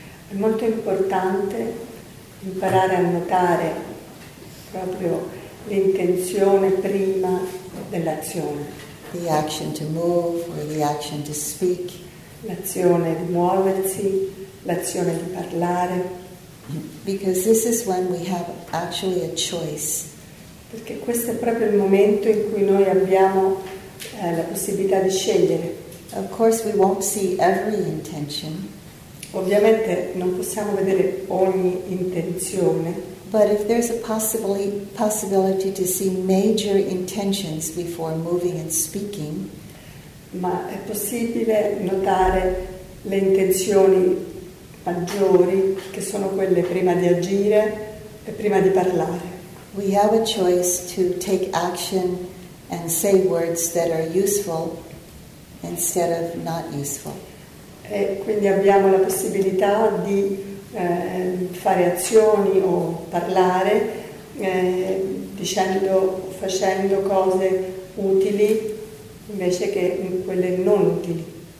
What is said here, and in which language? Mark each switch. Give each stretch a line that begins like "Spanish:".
Italian: È molto importante imparare a notare proprio l'intenzione prima dell'azione.
English: The action to move or the action to speak.
Italian: L'azione di muoversi, l'azione di parlare.
English: Because this is when we have actually a choice.
Italian: Perché questo è proprio il momento in cui noi abbiamo la possibilità di scegliere.
English: Of course we won't see every intention.
Italian: Ovviamente non possiamo vedere ogni intenzione.
English: But if there's a possibility to see major intentions before moving and speaking,
Italian: ma è possibile notare le intenzioni maggiori, che sono quelle prima di agire e prima di parlare.
English: We have a choice to take action and say words that are useful instead of not useful.
Italian: E quindi abbiamo la possibilità di fare azioni o parlare dicendo, facendo cose utili invece che quelle non utili.